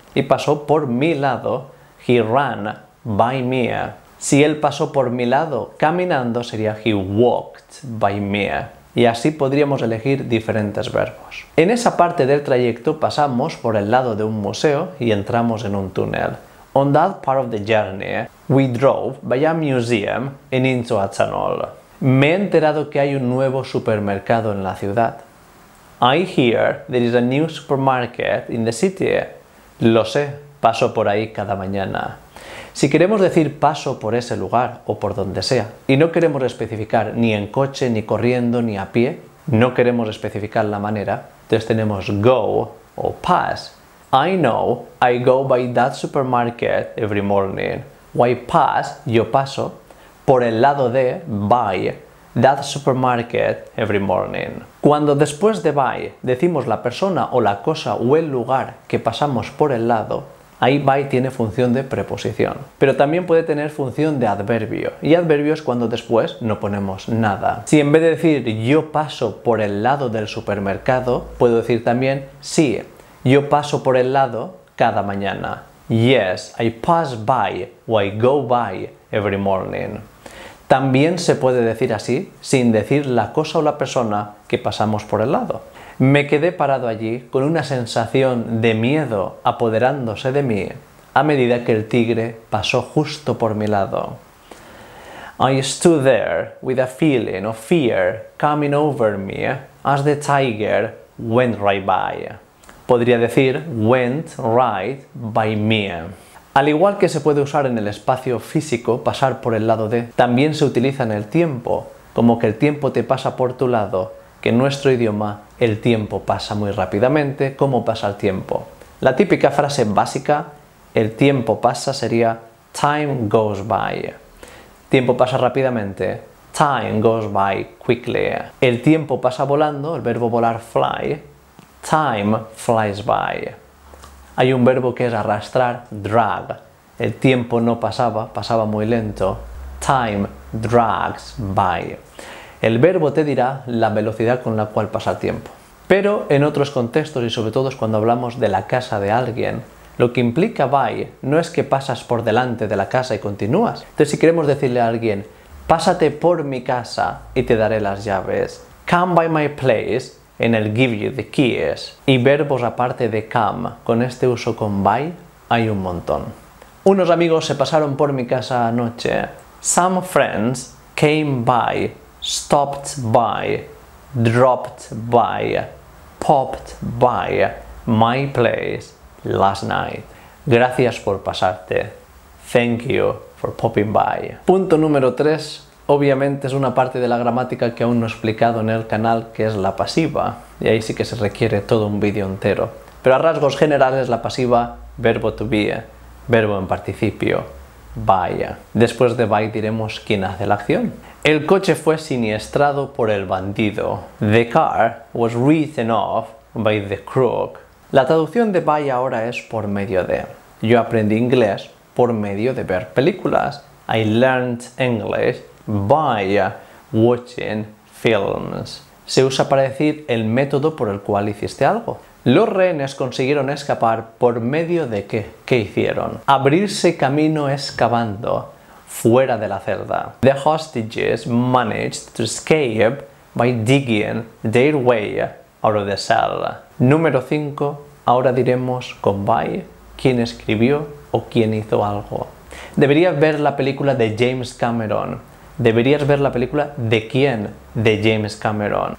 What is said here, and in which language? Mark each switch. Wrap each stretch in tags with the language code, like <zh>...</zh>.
<es>Y pasó por mi lado,</es> <en>he ran by me.</en> <es>Si él pasó por mi lado caminando, sería</es> <en>he walked by me.</en> <es>Y así podríamos elegir diferentes verbos. En esa parte del trayecto pasamos por el lado de un museo y entramos en un túnel.</es> <en>On that part of the journey, we drove by a museum and into a tunnel.</en> <es>Me he enterado que hay un nuevo supermercado en la ciudad.</es> <en>I hear there is a new supermarket in the city.</en> <es>Lo sé, paso por ahí cada mañana. Si queremos decir paso por ese lugar o por donde sea, y no queremos especificar ni en coche, ni corriendo, ni a pie, no queremos especificar la manera, entonces tenemos go o pass.</es> <en>I know I go by that supermarket every morning. Why pass,</en> <es>yo paso, por el lado de,</es> <en>by, that supermarket every morning.</en> <es>Cuando después de by decimos la persona o la cosa o el lugar que pasamos por el lado, ahí by tiene función de preposición. Pero también puede tener función de adverbio. Y adverbio es cuando después no ponemos nada. Si en vez de decir yo paso por el lado del supermercado, puedo decir también sí, yo paso por el lado cada mañana.</es> <en>Yes, I pass by or I go by every morning.</en> <es>También se puede decir así, sin decir la cosa o la persona que pasamos por el lado. Me quedé parado allí con una sensación de miedo apoderándose de mí a medida que el tigre pasó justo por mi lado.</es> <en>I stood there with a feeling of fear coming over me as the tiger went right by.</en> <es>Podría decir</es> <en>went right by me.</en> <es>Al igual que se puede usar en el espacio físico, pasar por el lado de, también se utiliza en el tiempo, como que el tiempo te pasa por tu lado, que en nuestro idioma el tiempo pasa muy rápidamente, ¿cómo pasa el tiempo? La típica frase básica, el tiempo pasa, sería</es> <en>time goes by.</en> <es>Tiempo pasa rápidamente,</es> <en>time goes by quickly.</en> <es>El tiempo pasa volando, el verbo volar fly,</es> <en>time flies by.</en> <es>Hay un verbo que es arrastrar, drag. El tiempo no pasaba, pasaba muy lento.</es> <en>Time drags by.</en> <es>El verbo te dirá la velocidad con la cual pasa el tiempo. Pero en otros contextos y sobre todo es cuando hablamos de la casa de alguien, lo que implica by no es que pasas por delante de la casa y continúas. Entonces si queremos decirle a alguien, pásate por mi casa y te daré las llaves.</es> <en>Come by my place and I'll give you the keys.</en> <es>Y verbos aparte de come, con este uso con by, hay un montón. Unos amigos se pasaron por mi casa anoche.</es> <en>Some friends came by, stopped by, dropped by, popped by my place last night.</en> <es>Gracias por pasarte.</es> <en>Thank you for popping by.</en> <es>Punto número 3, Obviamente es una parte de la gramática que aún no he explicado en el canal, que es la pasiva, y ahí sí que se requiere todo un vídeo entero. Pero a rasgos generales la pasiva, verbo to be, verbo en participio, vaya. Después de by diremos quién hace la acción. El coche fue siniestrado por el bandido.</es> <en>The car was written off by the crook.</en> <es>La traducción de by ahora es por medio de. Yo aprendí inglés por medio de ver películas.</es> <en>I learned English by watching films.</en> <es>Se usa para decir el método por el cual hiciste algo. Los rehenes consiguieron escapar por medio de qué. ¿Qué hicieron? Abrirse camino excavando fuera de la celda.</es> <en>The hostages managed to escape by digging their way out of the cell.</en> <es>Número 5. Ahora diremos con by quién escribió o quién hizo algo. Deberías ver la película de James Cameron. Deberías ver la película de quién de James Cameron.</es>